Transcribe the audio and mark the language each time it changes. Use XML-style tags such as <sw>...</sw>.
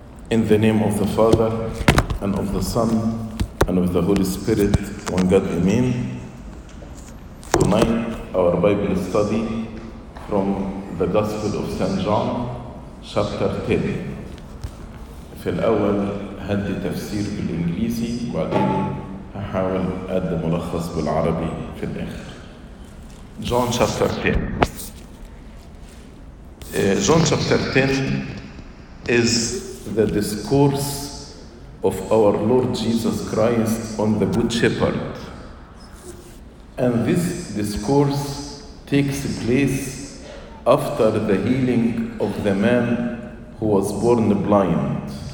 <en>In the name of the Father, and of the Son, and of the Holy Spirit, one God, Amen. Tonight, our Bible study from the Gospel of St. John, chapter 10.</en> <ar>في الأول هدي تفسير بالإنجليزي وبعدين هحاول أدي ملخص بالعربي في الآخر.</ar> <en>John chapter 10. John chapter 10 is the discourse of our Lord Jesus Christ on the Good Shepherd. And this discourse takes place after the healing of the man who was born blind.</en>